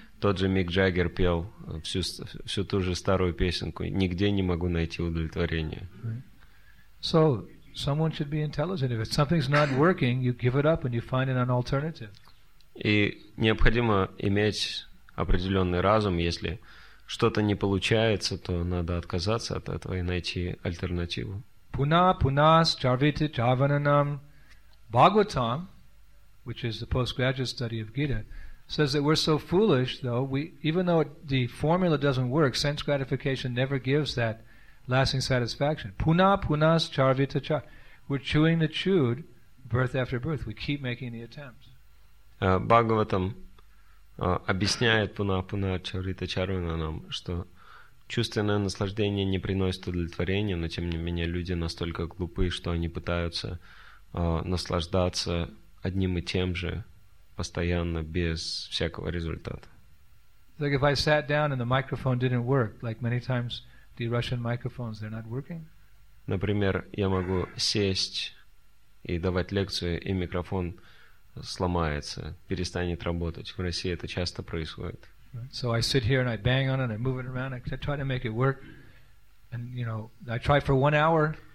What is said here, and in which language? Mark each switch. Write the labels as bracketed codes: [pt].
[ru] Тот же Мик Джаггер пел всю ту же старую песенку. Нигде не могу найти удовлетворение. [en] So someone should be intelligent. If something's not working, you give it up and you find an alternative. [ru] И необходимо иметь определенный разум. Если что-то не получается, то надо отказаться от этого и найти альтернативу. [sa] Puna punas charvita javananam [en] Bhagavatam, which is the postgraduate study of Gita, says that we're so foolish, though, even though the formula doesn't work, sense gratification never gives that lasting satisfaction. [sa] Puna punas charvita char. [en] We're chewing the chewed birth after birth. We keep making the attempt. [ru] Бхагаватам объясняет [sa] Пуна Чарита Чарвана [ru] нам, что чувственное наслаждение не приносит удовлетворения, но тем не менее люди настолько глупы, что они пытаются наслаждаться одним и тем же постоянно без всякого результата. [en] It's like if I sat down and the microphone didn't work, like many times the Russian microphones, they're not working. [ru] Например, я могу сесть и давать лекцию, и микрофон сломается, перестанет работать. В России это часто происходит. [en] So I sit here and I bang on it, I move it around, I try to make it work. And, you know, I try for 1 hour.